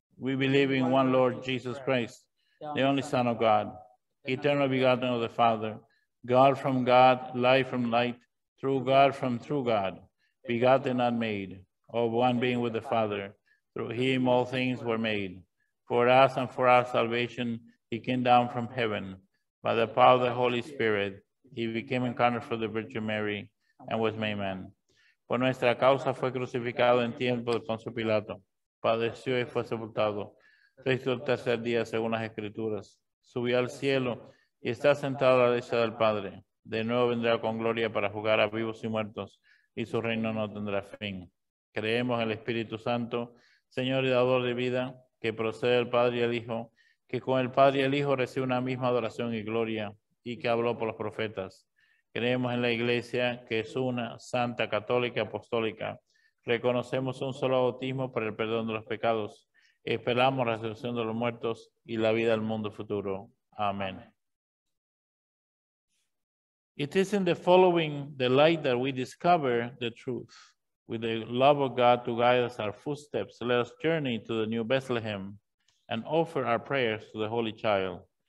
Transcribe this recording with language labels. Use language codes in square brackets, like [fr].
[en] We believe in one Lord Jesus Christ, the only Son of God, eternally begotten of the Father, God from God, light from light, true God from true God, begotten, not made, of one being with the Father. Through him all things were made. For us and for our salvation, he came down from heaven. By the power of the Holy Spirit, he became incarnate for the Virgin Mary and was made man. [es] Por nuestra causa fue crucificado en tiempo de Poncio Pilato. Padeció y fue sepultado. Resucitó el tercer día según las Escrituras. Subió al cielo y está sentado a la derecha del Padre. De nuevo vendrá con gloria para juzgar a vivos y muertos, y su reino no tendrá fin. Creemos en el Espíritu Santo, Señor y Dador de vida, que procede del Padre y el Hijo, que con el Padre y el Hijo recibe una misma adoración y gloria, y que habló por los profetas. Creemos en la Iglesia, que es una santa, católica, apostólica. Reconocemos un solo bautismo para el perdón de los pecados. Esperamos la resurrección de los muertos y la vida del mundo futuro. Amén. [en] It is in the following the light that we discover the truth. With the love of God to guide us our footsteps, let us journey to the new Bethlehem and offer our prayers to the Holy Child.